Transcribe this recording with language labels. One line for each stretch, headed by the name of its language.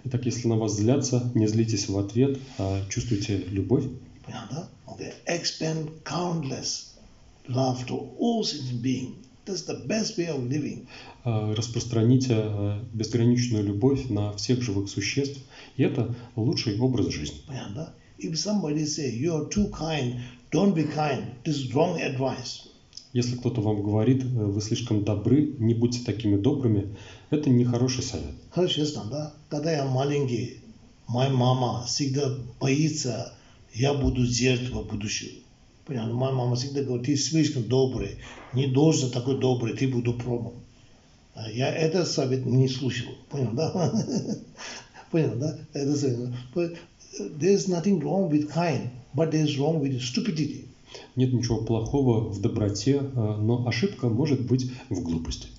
Russian: Итак, если на вас злятся, не злитесь в ответ, а чувствуйте любовь. Понятно?
English: Okay. Expand countless love to all sentient beings. That's the best way of living.
Russian: Распространите безграничную любовь на всех живых существ, и это лучший образ жизни. Понятно?
English: If somebody say you are too kind, don't be kind. This is wrong advice.
Russian: Если кто-то вам говорит, вы слишком добры, не будьте такими добрыми, это нехороший совет. Хорошо, честно, да? Когда я маленький, моя мама всегда боится, я буду жертвой будущего. Понятно? Моя мама всегда говорит, ты слишком добрый, не должен такой добрый, ты буду пробом. Я этот совет не слушал. Понял, да? Понял, да? Это совет.
English: But there's nothing wrong with kind, but there's wrong with stupidity.
Russian: Нет ничего плохого в доброте, но ошибка может быть в глупости.